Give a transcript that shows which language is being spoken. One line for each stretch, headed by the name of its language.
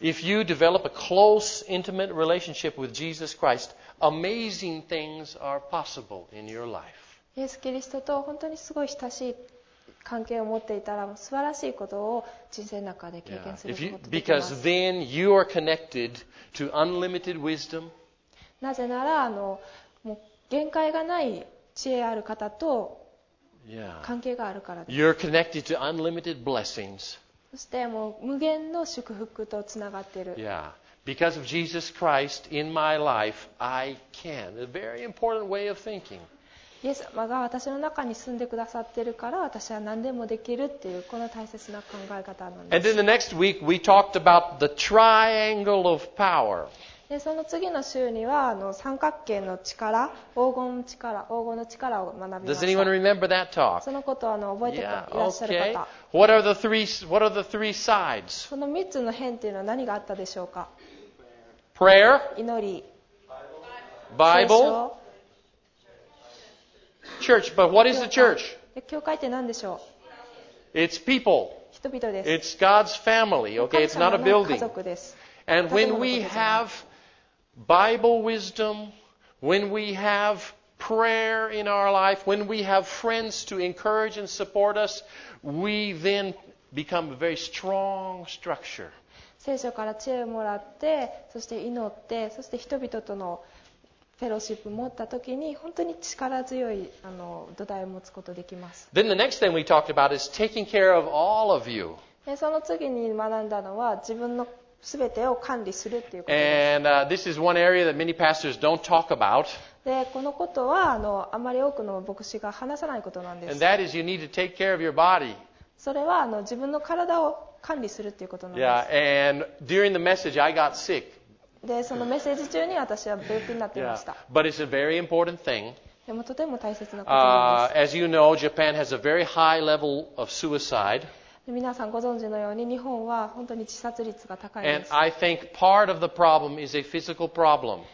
English: Yeah. If you develop a close, intimate relationship with Jesus Christ, amazing things are possible in your life.
Japanese: イエス・キリストと本当にすごい親しい関係を持っていたら、素晴らしいことを人生の中で経験することができます。
English: Yeah. If you, because then you are connected to unlimited wisdom.
Japanese: なぜなら、もう限界がない知恵ある方と、関係があるからです。
English: You're connected to unlimited blessings.
Japanese: そしてもう無限の祝福とつながっている。
English: Yeah. Because of Jesus Christ in my life, I can. A very important way of thinking.
Japanese: イエス様が私の中に住んでくださっているから私は何でもできるっていうこの大切な考え方なんです。
English: And then the next week we talked about the triangle of power.
Japanese: でその次の週には三角形の力、黄金の力を学びました。
English: Does anyone remember that talk?
Japanese: そのことを覚えていらっしゃる方。
English: Yeah, okay. What are the three sides?
Japanese: その三つの辺っていうのは何があったでしょうか。
English: Prayer.
Japanese: 祈り。
English: Bible. Church. But what is the church?
Japanese: 教会って何でしょう。
English: It's people.
Japanese: 人々です。
English: It's God's family. Okay. It's not a building.
Japanese: 家族です。
English: And when we have Bible wisdom, when we have prayer in our life, when we have friends to encourage and support us, we then become a very strong structure.
Japanese: 聖書から知恵をもらって、そして祈って、そして人々とのフェローシップを持った時に本当に力強い土台を持つことができます。
English: Then the next thing we talked about is taking care of all of you.
Japanese: その次に学んだのは自分の全てを管理するっていうことです。
English: And this is one area that many pastors don't talk about.
Japanese: で、このことはあまり多くの牧師が話さないことなんです。
English: And that is you need to take care of your body.
Japanese: それは自分の体を管理するっていうことなんです。
English: Yeah, and during the message I got sick.
Japanese: で、そのメッセージ中に私は病気になっていました。
English: Yeah, but it's a very important thing.
Japanese: でもとても大切なことなんです。
English: As you know, Japan has a very high level of suicide.
Japanese: 皆さんご存知のように日本は本当に自殺率が高いです。
English: And I think part of the problem is a physical problem.